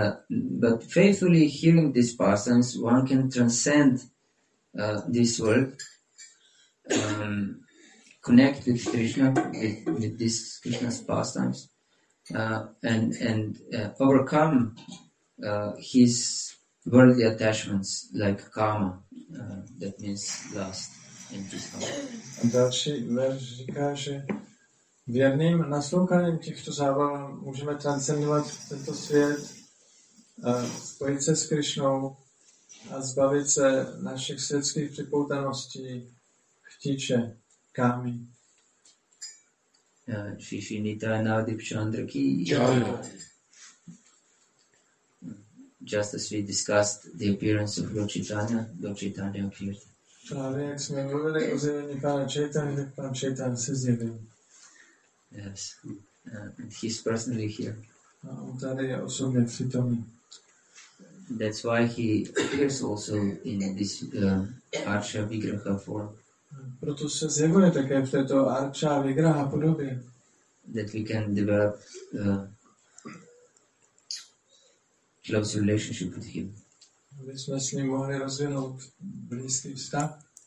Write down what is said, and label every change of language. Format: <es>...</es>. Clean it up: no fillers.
<en>but faithfully hearing these pastimes, one can transcend this world, connect with Krishna, with this Krishna's pastimes, and overcome his worldly attachments like karma. That means lust in this</en> <cs>A další verš říká, že věrným naslouchaním těchto zábav můžeme transcendovat tento svět, spojit se s Krišnou a zbavit se našich světských připoutaností, chtíče, kámy.</cs> <en>Shishi Nita Nadip Chandra ki Just as we discussed the appearance of Lord Chaitanya, Lord Chaitanya appeared.</en> <cs>Právě jak jsme mluvili o zjevení pána Chaitanya, tak pán Chaitanya se zjevil.</cs> <en>Yes, he's personally here.</en> <cs>A on tady je osobně přítomný.</cs> <en>That's why he appears also in this Archa Vigraha form.</en> <cs>Proto se zjevuje také v této Archa Vigraha podobě.</cs> <en>That we can develop close relationship with him.</en> <cs>My jsme s ním mohli rozvinout blízký vztah.</cs>